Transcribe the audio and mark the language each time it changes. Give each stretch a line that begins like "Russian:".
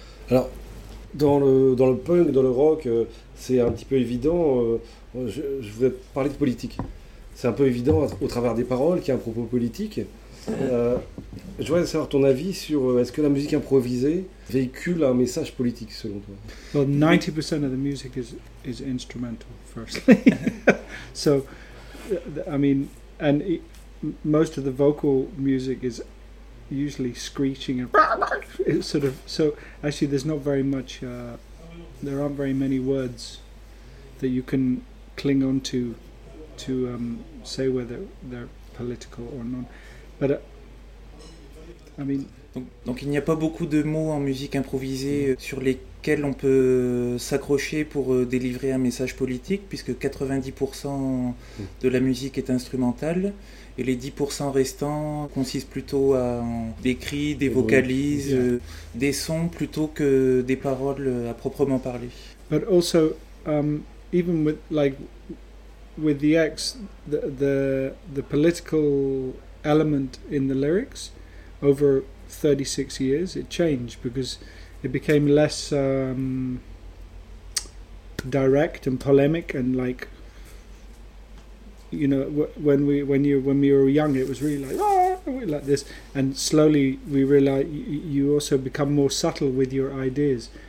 French: Alors, dans le punk, dans le rock, c'est un petit peu évident. Je voudrais parler de politique. C'est un peu évident au travers des paroles qu'il y a un propos politique. Je voudrais savoir ton avis sur est-ce que la musique improvisée véhicule un message politique selon toi?
English: Well, 90% of the music is instrumental, firstly. So, I mean, and most of the vocal music is usually screeching and it's sort of. So actually, there's not very much. There aren't very many words that you can cling on to say whether they're political or not. But I mean.
French: Donc il n'y a pas beaucoup de mots en musique improvisée sur lesquels on peut s'accrocher pour délivrer un message politique, puisque 90% de la musique est instrumentale, et les 10% restants consistent plutôt à des cris, des vocalises, des sons plutôt que des paroles à proprement parler.
English: But also, even with like with the X, the political element in the lyrics over 36 years, it changed because it became less direct and polemic and like, you know, when we were young, it was really like this, and slowly we realized you also become more subtle with your ideas.